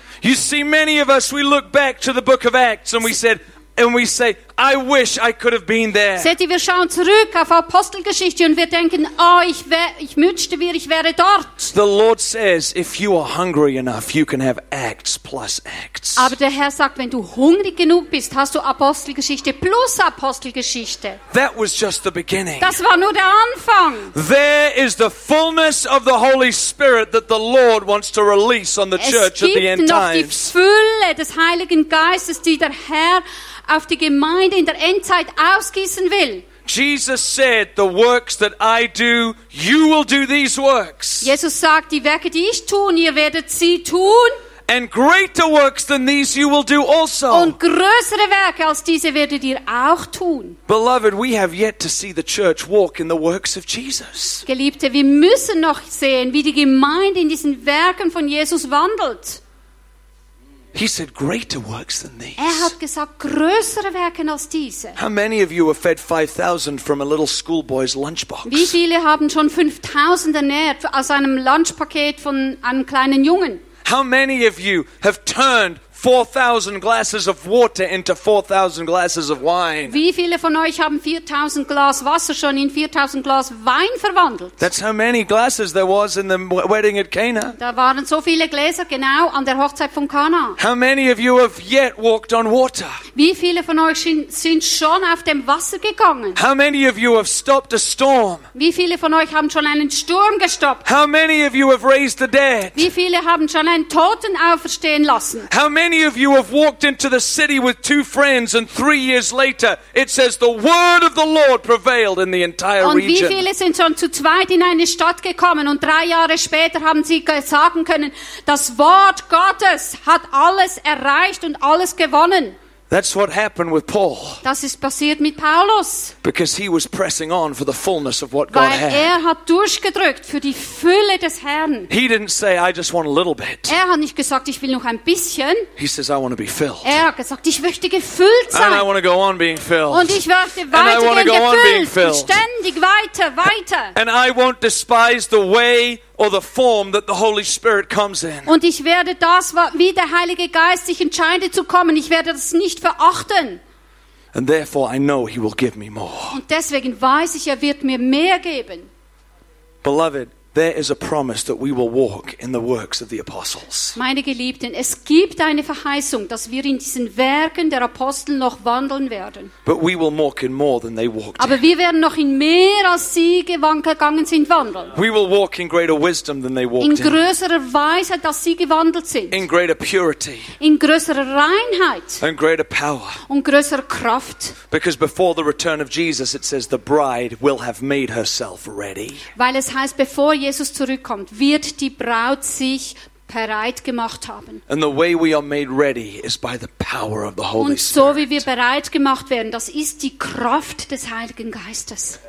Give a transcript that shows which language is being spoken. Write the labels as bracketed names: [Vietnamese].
[English] You see, many of us, we look back to the book of Acts and we said, and we say, I wish I could have been there. [German] Seht ihr, wir schauen zurück auf Apostelgeschichte und wir denken, ich wäre dort. [English] The Lord says, if you are hungry enough, you can have Acts plus Acts. [German] Aber der Herr sagt, wenn du hungrig genug bist, hast du Apostelgeschichte plus Apostelgeschichte. [English] That was just the beginning. [German] Das war nur der Anfang. [English] There is the fullness of the Holy Spirit that the Lord wants to release on the church at the end times. [German] Es gibt noch die Fülle des Heiligen Geistes, die der Herr auf die Gemeinde in der Endzeit ausgießen will. [English] Jesus said, the works that I do, you will do these works. [German] Jesus sagt, die Werke, die ich tun, ihr werdet sie tun. [English] And greater works than these you will do also. [German] Und größere Werke als diese werdet ihr auch tun. [English] Beloved, we have yet to see the church walk in the works of Jesus. [German] Geliebte, wir müssen noch sehen, wie die Gemeinde in diesen Werken von Jesus wandelt. [English] He said, greater works than these. [German] Er hat gesagt, größere Werke als diese. [English] How many of you have fed 5,000 from a little schoolboy's lunchbox? [German] Wie viele haben schon 5,000 ernährt aus einem Lunchpaket von einem kleinen Jungen? [English] How many of you have turned 4,000 glasses of water into 4,000 glasses of wine? [German] Wie viele von euch haben 4,000 Glas Wasser schon in 4,000 Glas Wein verwandelt? [English] That's how many glasses there was in the wedding at Cana. [German] Da waren so viele Gläser, genau, an der Hochzeit von Cana. [English] How many of you have yet walked on water? [German] Wie viele von euch sind schon auf dem Wasser gegangen? [English] How many of you have stopped a storm? [German] Wie viele von euch haben schon einen Sturm gestoppt? [English] How many of you have raised the dead? [German] Wie viele haben schon einen Toten auferstehen lassen? [English] How many of you have walked into the city with two friends and 3 years later it says the word of the Lord prevailed in the entire region. [German] Und wie viele sind schon zu zweit in eine Stadt gekommen und 3 Jahre später haben sie sagen können, das Wort Gottes hat alles erreicht und alles gewonnen. [English] That's what happened with Paul. [German] Das ist passiert mit Paulus. [English] Because he was pressing on for the fullness of what God had. [German] Weil er hat durchgedrückt für die Fülle des Herrn. [English] He didn't say, I just want a little bit. [German] Er hat nicht gesagt, ich will noch ein bisschen. [English] He says, I want to be filled. [German] Er hat gesagt, ich möchte gefüllt sein. [English] And I want to go on being filled. [German] Und ich möchte weitergehen gefüllt. Ständig weiter, weiter. [English] And I won't despise the way or the form that the Holy Spirit comes in. [German] Und ich werde das, wie der Heilige Geist sich entscheidet zu kommen, ich werde das nicht verachten. [English] And therefore I know he will give me more. [German] Und deswegen weiß ich, er wird mir mehr geben. [English] Beloved, there is a promise that we will walk in the works of the apostles. [German] Meine Geliebten, es gibt eine Verheißung, dass wir in diesen Werken der Apostel noch wandeln werden. [English] But we will walk in more than they walked. [German] Aber wir werden noch in mehr als sie gegangen sind wandeln. [English] We will walk in greater wisdom than they walked [German] in. In größerer Weisheit, als sie gewandelt sind. [English] In greater purity. [German] In größerer Reinheit. [English] And greater power. [German] Und größerer Kraft. [English] Because before the return of Jesus, it says the bride will have made herself ready. [German] Weil es heißt, bevor Jesus zurückkommt, wird die Braut sich bereit gemacht haben. [English] And the way we are made ready is by the power of the Holy Spirit. [German] Und so wie wir bereit gemacht werden, das ist die Kraft des Heiligen Geistes.